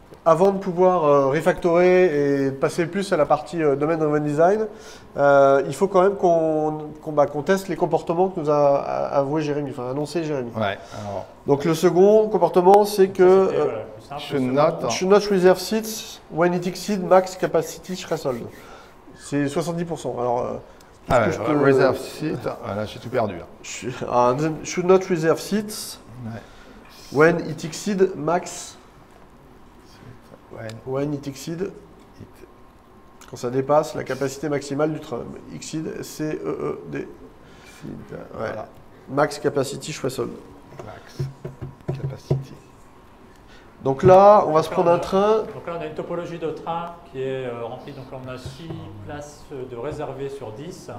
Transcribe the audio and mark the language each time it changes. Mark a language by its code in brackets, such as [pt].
[fr] avant de pouvoir refactorer et passer plus à la partie domain-driven design, il faut quand même qu'on teste les comportements que nous a avoué Jérémy, enfin annoncé Jérémy. Ouais. Alors, donc le second comportement, c'est que [en] should not reserve seats when it exceeds max capacity threshold. [fr] C'est 70%. Alors, [en] reserve seat. [fr] Là, j'ai tout perdu. [en] Should not reserve seats when it exceeds max. When it exceeds. [fr] Quand ça dépasse la capacité maximale du train. [en] Exceed, C-E-E-D. [fr] Voilà. [en] Max capacity threshold. Max capacity. [fr] Donc là, on va se prendre un train. Donc là, on a une topologie de train qui est remplie. Donc là, on a 6 places de réservées sur 10.